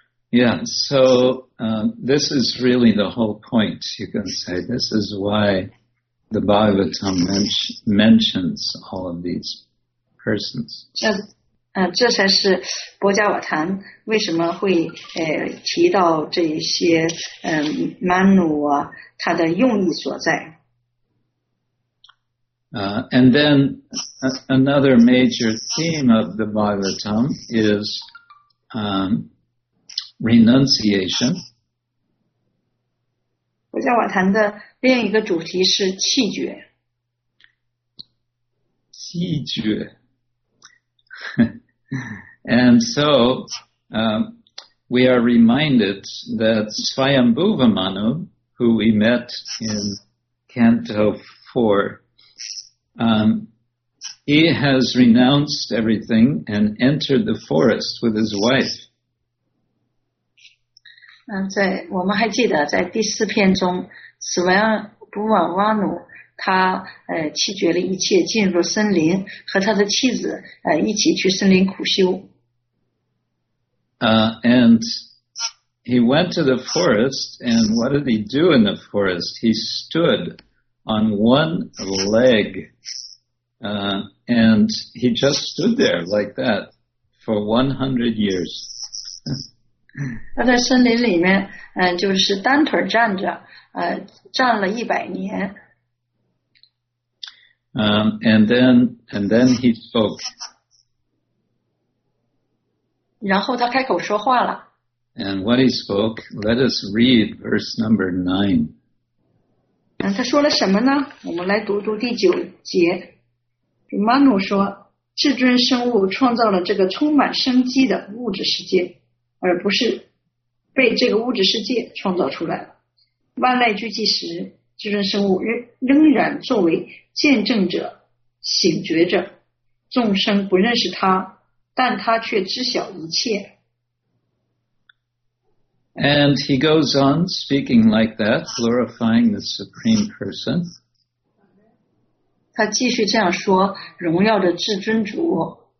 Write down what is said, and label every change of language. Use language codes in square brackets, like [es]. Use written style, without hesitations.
[en] Yeah, so this is really the whole point, you can say. This is why the Bhagavatam mentions all of these persons. [zh] 这才是博伽瓦坛为什么会提到这些曼努啊，他的用意所在。 [en] And then another major theme of the Bhagavatam is renunciation. [zh] 博伽瓦坛的另一个主题是弃绝。弃绝。 [en] And so we are reminded that Svayambhuva Manu, who we met in Canto 4, he has renounced everything and entered the forest with his wife. [zh] 在我们还记得在第四篇中 Svayambhuva Manu 他弃绝了一切进入森林和他的妻子一起去森林苦修。 [en] And he went to the forest, and what did he do in the forest? He stood on one leg, and he just stood there like that for 100 years. [zh] 他在森林里面，就是单腿站着，站了100年。 [en] And then he spoke. [zh] 然后他开口说话了。 [en] And what he spoke, let us read verse number 9. [zh] 他说了什么呢？我们来读读第九节。 Manu 说，至尊生物创造了这个充满生机的物质世界，而不是被这个物质世界创造出来了。万籁俱寂时，至尊生物仍然作为见证者、醒觉者，众生不认识他，但他却知晓一切。 [en] And he goes on speaking like that, glorifying the Supreme Person. [zh] 他继续这样说，荣耀着至尊主。